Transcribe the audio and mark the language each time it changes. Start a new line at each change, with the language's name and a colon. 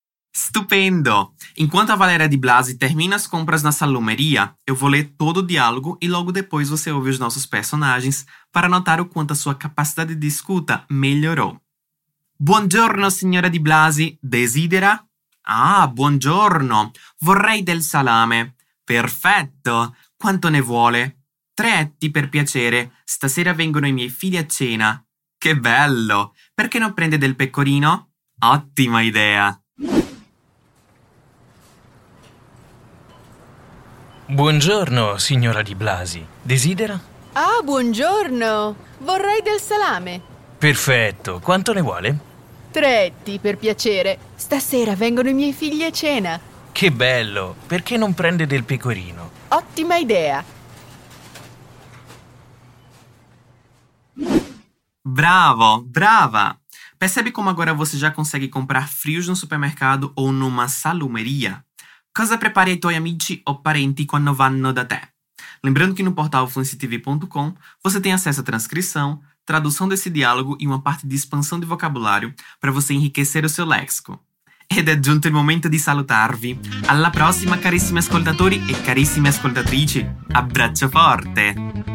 Italian: Stupendo!
Portuguese: Enquanto a Valeria di Blasi termina as compras na salumeria, eu vou ler todo o diálogo e logo depois você ouve os nossos personagens para notar o quanto a sua capacidade de escuta melhorou.
Italian: Buongiorno, signora di Blasi. Desidera? Ah, buongiorno. Vorrei del salame. Perfetto! Quanto ne vuole? 3 etti, per piacere. Stasera vengono i miei figli a cena. Che bello! Perché non prende del pecorino? Ottima idea! Buongiorno, signora Di Blasi. Desidera? Ah, buongiorno! Vorrei del salame. Perfetto! Quanto ne vuole? 3 etti, per piacere. Stasera vengono i miei figli a cena. Che bello! Perché non prende del pecorino? Ottima idea! Bravo, brava!
Portuguese: Percebe come agora você já consegue comprar frios no supermercado ou numa salumeria?
Italian: Cosa prepari ai tuoi amici o parenti quando vanno da te?
Portuguese: Lembrando que no portal fluencytv.com você tem acesso à transcrição, tradução desse diálogo e uma parte de expansão de vocabulário para você enriquecer o seu léxico.
Italian: Ed è giunto il momento di salutarvi. Alla prossima, carissimi ascoltatori e carissime ascoltatrici. Abbraccio forte!